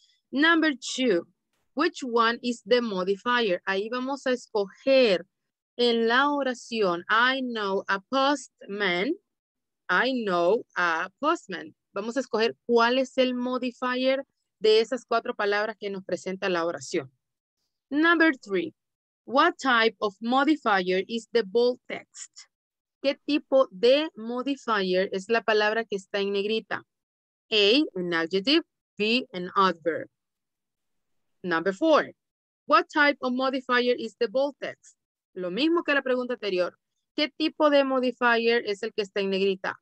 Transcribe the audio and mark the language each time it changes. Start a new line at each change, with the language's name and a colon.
English: Number two, which one is the modifier?
Spanish: Ahí vamos a escoger en la oración, I know a postman, I know a postman. Vamos a escoger cuál es el modifier de esas cuatro palabras que nos presenta la oración.
English: Number three, what type of modifier is the bold text?
Spanish: ¿Qué tipo de modifier es la palabra que está en negrita?
English: A, an adjective, B, an adverb. Number four, what type of modifier is the bold text?
Spanish: Lo mismo que la pregunta anterior. ¿Qué tipo de modifier es el que está en negrita?